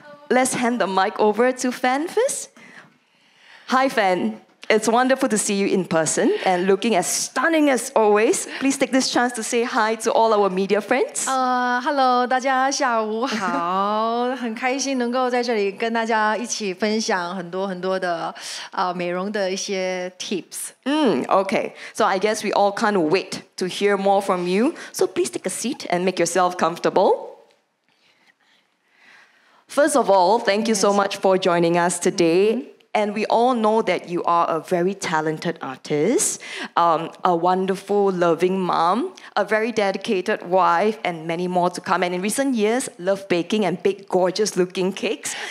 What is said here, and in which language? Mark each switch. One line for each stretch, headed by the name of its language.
English: Let's hand the mic over to Fann first. Hi, Fann. It's wonderful to see you in person and looking as stunning as always. Please take this chance to say hi to all our media friends. Hello,
Chinese: 大家下午好. 很开心能够在这里跟大家一起分享很多很多的 美容的一些tips.
English: Okay. So I guess we all can't wait to hear more from you. So please take a seat and make yourself comfortable. First of all, thank you so much for joining us today. Mm-hmm. And we all know that you are a very talented artist, a wonderful, loving mom, a very dedicated wife, and many more to come. And in recent years, love baking and bake gorgeous looking cakes.